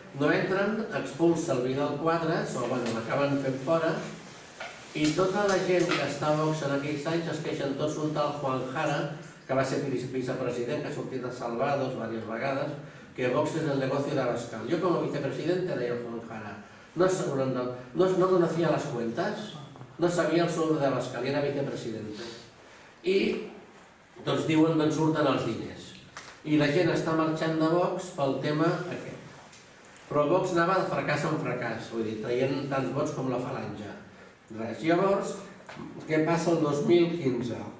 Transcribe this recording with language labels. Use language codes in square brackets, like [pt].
[ca] No entren, expulsa el Vidal Quadras, o bueno, l'acaben fent fora, i tota la gent que està a Vox en aquells anys es queixen tots un tal Juan Jara, que va ser vicepresident, que ha sortit de Salvados diverses vegades, que Vox és el negoci de Abascal. Jo com a vicepresident era el Juan Jara. [es] No conocía las cuentas, no sabía el sueldo de Abascal, era vicepresidente. [ca] I doncs diuen que surten els diners. I la gent està marxant de Vox pel tema aquest. Però Vox anava de fracàs en fracàs, vull dir, traient tants vots com la falange. Res. Llavors, què passa el 2015?